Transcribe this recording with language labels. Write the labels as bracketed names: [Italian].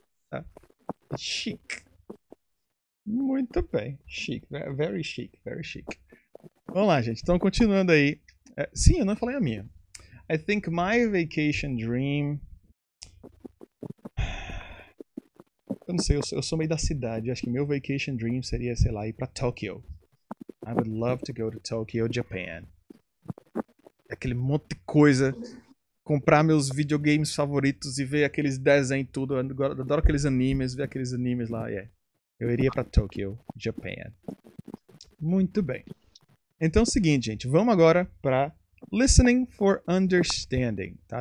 [Portuguese] Tá? Chic. Muito bem. Chic. [English] Very chic. Very chic. [Portuguese] Vamos lá, gente. Então, continuando aí. Sim, eu não falei a minha. [English] I think my vacation dream... [Portuguese] Eu não sei, eu sou meio da cidade. Acho que meu vacation dream seria, sei lá, ir pra Tokyo. [English] I would love to go to Tokyo, Japan. [Portuguese] Aquele monte de coisa. Comprar meus videogames favoritos e ver aqueles desenhos e tudo. Eu adoro aqueles animes, ver aqueles animes lá. Yeah. Eu iria pra Tokyo, Japan. Muito bem. Então é o seguinte, gente. Vamos agora pra Listening for Understanding. Tá?